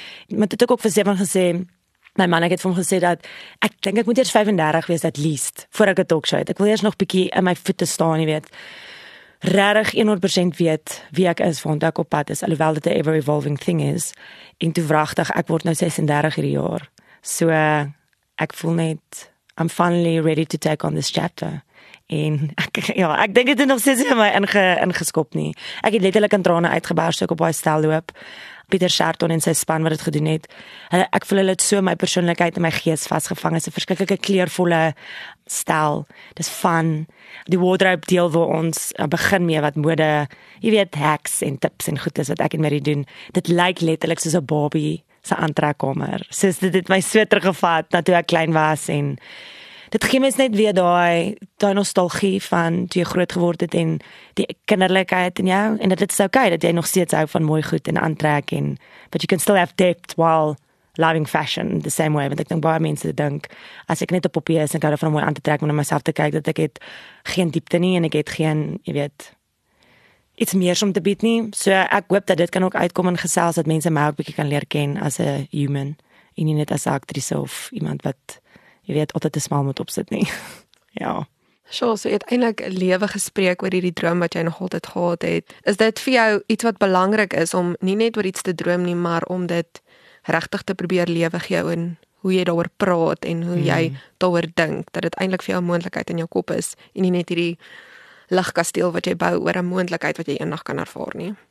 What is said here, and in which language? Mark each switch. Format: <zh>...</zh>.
<af>Maar dit het ook vir Seven gesê, my man, ek het vir hom gesê dat ek dink ek moet eers 35 wees</af> <en>at least,</en> <af>voor ek 'n talkshow het. Ek wil eers nog bietjie in my voete staan, jy weet. Regtig 100% weet wie ek is, waar ek op pad is, alhoewel dit 'n</af> <en>ever-evolving thing</en> <af>is. En toe wragtig, ek word nou 36 hierdie jaar. So, ek voel net,</af> <en>I'm finally ready to take on this chapter.</en> <af>En ek, ja, ek dink dit het nog steeds in my ingeskop nie. Ek het letterlik in trane uitgebarst, so ek op baie stel loop. Pieter Sharton en sy span wat het gedoen het. Ek voel hulle het so my persoonlikheid en my gees vasgevang. Dit is 'n verskriklike kleurvolle stel. Dis fun. Die wardrobe deel waar ons begin mee wat mode, jy weet, hacks en tips en goed is wat ek en Marie doen. Dit lyk letterlik soos 'n Barbie se aantrekkamer. Soos dit het my so teruggevat na toe ek klein was en dit gee mens net weer daai nostalgie van toe jy groot geword het en die kinderlikheid in jou. En dit is okay dat jy nog steeds hou van mooi goed en aantrek.</af> <en>En, but you can still have depth while loving fashion the same way.</en> <af>Want ek denk baie mense dink, as ek net op papier is en ek hou van mooi aan te trek, maar na myself te kyk, dat ek het geen diepte nie en ek het geen, jy weet, iets meer om te bied nie. So ek hoop dat dit kan ook uitkom in gesels, dat mense my ook bietjie kan leer ken as 'n human en nie net as 'n aktrise of iemand wat, jy weet, altyd te smal moet opsit nie. Ja. Sjoe, so jy het eintlik 'n lewe gespreek oor hierdie droom wat jy nog altyd gehad het. Is dit vir jou iets wat belangrik is om nie net oor iets te droom nie, maar om dit regtig te probeer lewe gee en hoe jy daaroor praat en hoe jy daaroor dink, dat dit eintlik vir jou 'n moontlikheid in jou kop is en nie net hierdie lagkasteel wat jy bou oor 'n moontlikheid wat jy eendag kan ervaar nie?</af>